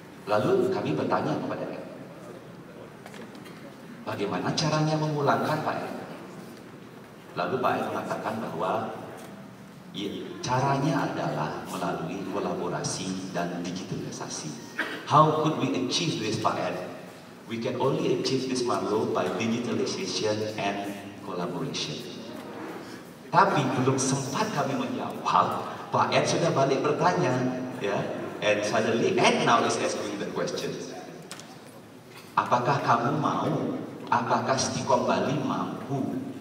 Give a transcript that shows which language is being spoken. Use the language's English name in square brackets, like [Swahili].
[Indonesian] Lalu kami bertanya kepada dia, bagaimana caranya memulangkan, Pak E? Lalu Pak E mengatakan bahwa ya, caranya adalah melalui kolaborasi dan digitalisasi. [English] How could we achieve this, Pak Ed? We can only achieve this, Marlo, by digitalization and collaboration. [Indonesian] Tapi belum sempat kami menjawab, Pak Ed sudah balik bertanya, ya. [English] And suddenly, Ed now is asking the question. [Indonesian] Apakah kamu mau? Apakah STIKON Bali mampu?